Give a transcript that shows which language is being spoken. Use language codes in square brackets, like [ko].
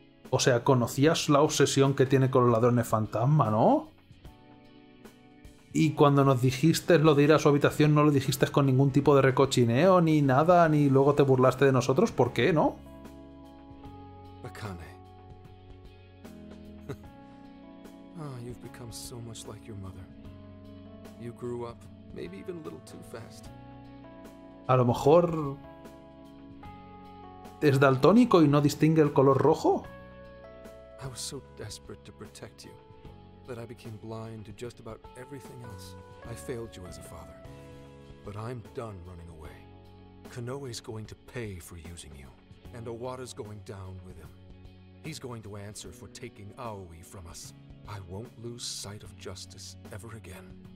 [es] O sea, conocías la obsesión que tiene con los ladrones fantasma, ¿no? Y cuando nos dijiste lo de ir a su habitación, no lo dijiste con ningún tipo de recochineo, ni nada, ni luego te burlaste de nosotros, ¿por qué, no? [en] Akane. Ah, you've become so much like your mother. You grew up, maybe even a little too fast. [es] A lo mejor... ¿Es daltónico y no distingue el color rojo? [en] I was so desperate to protect you that I became blind to just about everything else. I failed you as a father. But I'm done running away. Kanoe's going to pay for using you. And Owada's going down with him. He's going to answer for taking Aoi from us. I won't lose sight of justice ever again.